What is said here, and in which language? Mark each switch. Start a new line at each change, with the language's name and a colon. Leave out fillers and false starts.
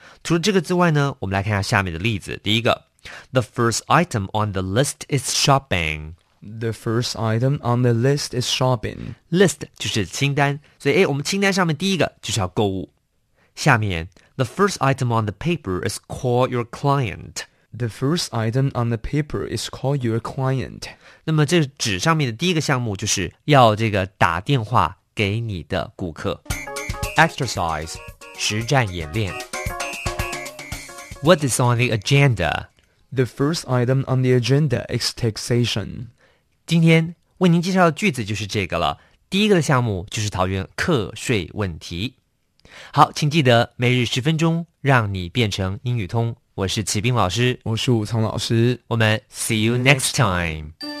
Chinese: 除了这个之外呢，我们来看一下下面的例子。第一个，
English: The first item on the list is shopping。 The first item on the list is shopping。
Chinese: List 就是清单，所以我们清单上面第一个就是要购物。下面，
English: The first item on the paper is call your client The first item on the paper is call your client.
Chinese: 那么这纸上面的第一个项目就是要这个打电话给你的顾客。
English: Exercise,
Chinese: 实战演练。
English: What is on the agenda? The first item on the agenda is taxation.
Chinese: 今天为您介绍的句子就是这个了。第一个的项目就是讨论课税问题。好，请记得每日十分钟，让你变成英语通。我是齐兵老师，我是武聪老师，我们
English: see you next time。